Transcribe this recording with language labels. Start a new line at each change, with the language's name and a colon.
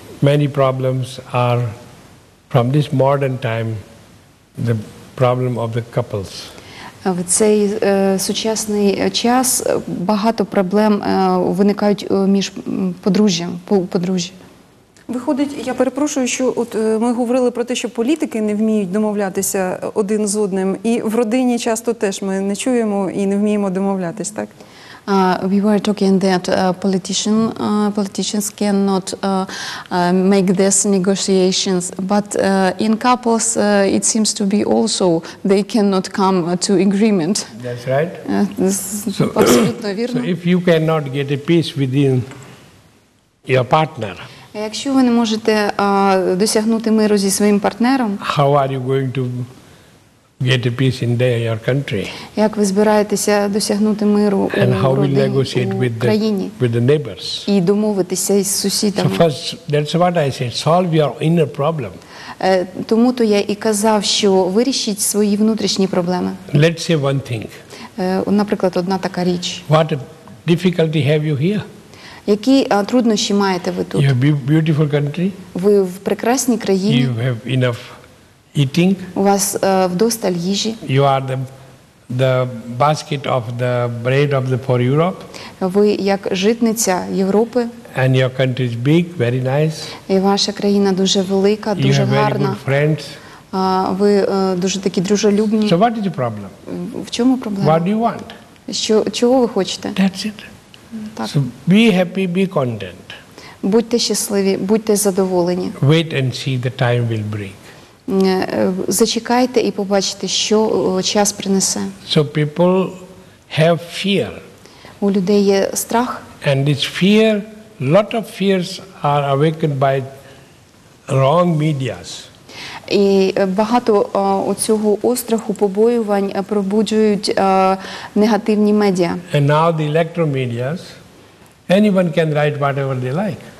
English: Many problems are from this modern time, the problem of the couples.
Ukrainian: В цей сучасний час багато проблем виникають між подружжям, подружжям. Виходить, я перепрошую, що от ми говорили про те, що політики не вміють домовлятися один з одним, і в родині часто теж ми не чуємо і не вміємо домовлятись, так?
English: We were talking that politicians cannot make these negotiations, but in couples it seems to be also they cannot come to agreement. That's right.
Ukrainian: Абсолютно вірно.
English: So if you cannot get a peace within your partner,
Ukrainian: якщо ви не можете досягнути миру зі своїм партнером,
English: how are you going to get a peace in there, your country?
Ukrainian: Як ви збираєтеся досягнути миру у країні?
English: And how will you negotiate with the neighbors?
Ukrainian: І домовитися із сусідами?
English: So first, that's what I said. Solve your inner problem.
Ukrainian: Тому то я і казав, що вирішіть свої внутрішні проблеми.
English: Let's say one thing.
Ukrainian: Наприклад, одна така річ.
English: What difficulty have you here?
Ukrainian: Які труднощі маєте ви тут?
English: You have beautiful country.
Ukrainian: Ви в прекрасній країні.
English: You have enough eating.
Ukrainian: У вас вдосталь їжі.
English: You are the basket of the bread of the poor Europe.
Ukrainian: Ви як житниця Європи.
English: And your country is big, very nice.
Ukrainian: І ваша країна дуже велика, дуже гарна.
English: You have very good friends.
Ukrainian: Ви дуже такі дружелюбні.
English: So what is the problem?
Ukrainian: В чому проблема?
English: What do you want?
Ukrainian: Що, чого ви хочете?
English: That's it.
Ukrainian: Так.
English: So be happy, be content.
Ukrainian: Будьте щасливі, будьте задоволені.
English: Wait and see, the time will bring.
Ukrainian: Зачекайте і побачите, що час принесе.
English: So people have fear.
Ukrainian: У людей є страх.
English: And this fear, lot of fears are awakened by wrong medias.
Ukrainian: І багато оцього остраху, побоювань пробуджують негативні медіа.
English: And now the electromedias, anyone can write whatever they like.